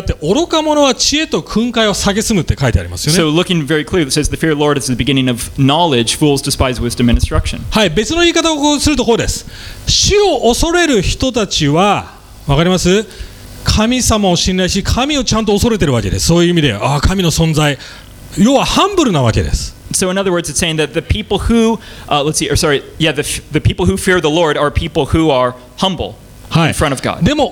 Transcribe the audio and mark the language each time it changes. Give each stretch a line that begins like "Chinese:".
Japanese: 要は主を恐れること、ちょっと聖書箇所見てみましょう。はい、ここに書いてあります。主を恐れることは知識の始めであって、愚か者は知恵と訓戒を蔑むって書いてありますよね。
English: So looking very clearly, it says the fear of the Lord is the beginning of knowledge, fools despise wisdom and instruction.
Japanese: はい、別の言い方をするとこうです。主を恐れる人たちは、わかります? 神様を信頼し、神をちゃんと恐れてるわけです。そういう意味で、ああ、神の存在。
English: So in other words, it's saying that the people who, the people who fear the Lord are people who are humble in front of God.